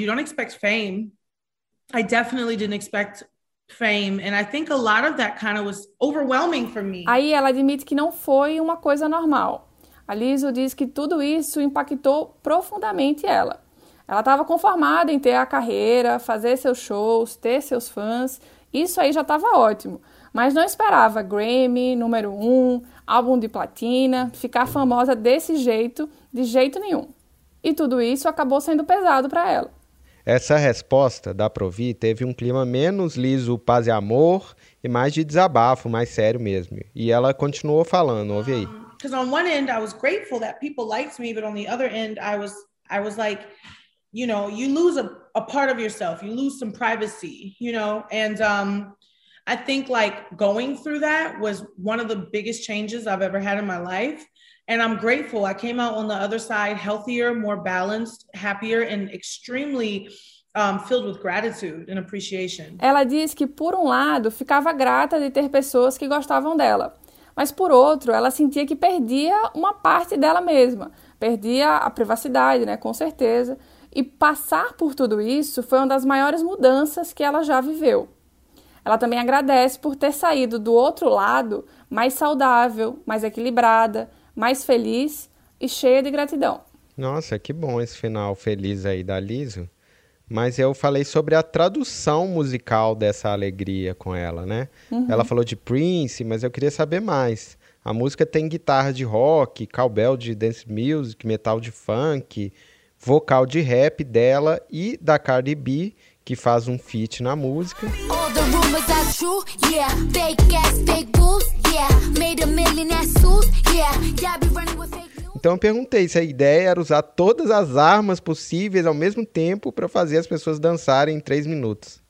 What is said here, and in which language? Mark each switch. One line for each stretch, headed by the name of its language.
English: You don't expect fame. I definitely didn't expect fame. And I think a lot of that kind of was overwhelming for me.
Portuguese: Aí ela admite que não foi uma coisa normal. A Lizzo diz que tudo isso impactou profundamente ela. Ela estava conformada em ter a carreira, fazer seus shows, ter seus fãs. Isso aí já estava ótimo. Mas não esperava Grammy, número 1, álbum de platina, ficar famosa desse jeito, de jeito nenhum. E tudo isso acabou sendo pesado para ela. Essa resposta da Provi teve um clima menos liso, paz e amor, e mais de desabafo, mais sério mesmo. E ela continuou falando, ouve aí.
English: Because on one end I was grateful that people liked me, but on the other end I was like, you know, you lose a part of yourself, you lose some privacy, you know, and I think like going through that was one of the biggest changes I've ever had in my life. And I'm grateful I came out on the other side healthier, more balanced, happier and extremely filled with gratitude and appreciation.
Portuguese: Ela diz que por um lado ficava grata de ter pessoas que gostavam dela, mas por outro ela sentia que perdia uma parte dela mesma, perdia a privacidade, né, com certeza. E passar por tudo isso foi uma das maiores mudanças que ela já viveu. Ela também agradece por ter saído do outro lado mais saudável, mais equilibrada, mais feliz e cheia de gratidão. Nossa, que bom esse final feliz aí da Lizzo. Mas eu falei sobre a tradução musical dessa alegria com ela, né? Uhum. Ela falou de Prince, mas eu queria saber mais. A música tem guitarra de rock, cowbell de dance music, metal de funk, vocal de rap dela e da Cardi B, que faz um feat na música.
English: All the rumors are true, yeah. Fake ass, fake bulls, yeah. Made a million assos, yeah. Yeah, be running with fake news.
Portuguese: Então eu perguntei se a ideia era usar todas as armas possíveis ao mesmo tempo para fazer as pessoas dançarem em 3 minutos.